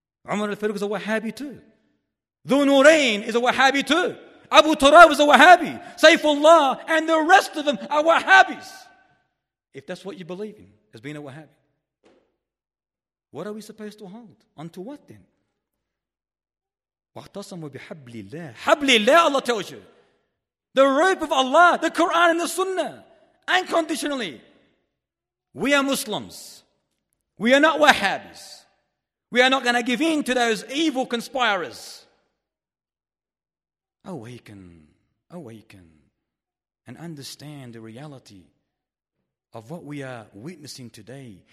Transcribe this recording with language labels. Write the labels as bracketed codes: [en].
[en] Umar al-Farooq is a Wahhabi too. Dhu Nurayn is a Wahhabi too. Abu Turab is a Wahhabi. Saifullah and the rest of them are Wahhabis. If that's what you believe in, as being a Wahhabi, what are we supposed to hold? Onto what then? [ar] وَاَعْتَصَمُوا بِحَبْلِ اللَّهِ حَبْلِ اللَّهِ, [en] Allah tells you. The rope of Allah, the Quran and the Sunnah, unconditionally. We are Muslims. We are not Wahhabis. We are not going to give in to those evil conspirers. Awaken, awaken, and understand the reality of what we are witnessing today.